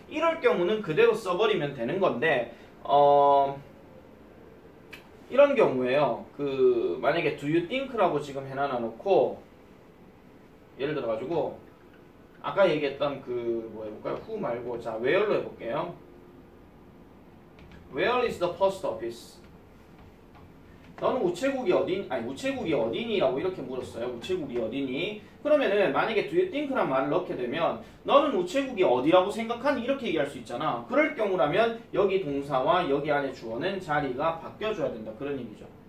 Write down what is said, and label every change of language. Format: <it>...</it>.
<ko>이럴 경우는 그대로 써버리면 되는 건데 이런 경우에요. 그 만약에</ko> <en>do you think</en> <ko>라고 지금 해놔 놓고 예를 들어 가지고 아까 얘기했던 그 뭐 해볼까요? who 말고 자 where로 해볼게요.</ko> <en>where is the post office?</en> <ko>너는 우체국이 어디니? 아니 우체국이 어디니라고 이렇게 물었어요. 우체국이 어디니? 그러면은 만약에</ko> <en>do you think</en> <ko>란 말을 넣게 되면 너는 우체국이 어디라고 생각하니? 이렇게 얘기할 수 있잖아. 그럴 경우라면 여기 동사와 여기 안에 주어는 자리가 바뀌어줘야 된다. 그런 얘기죠.</ko>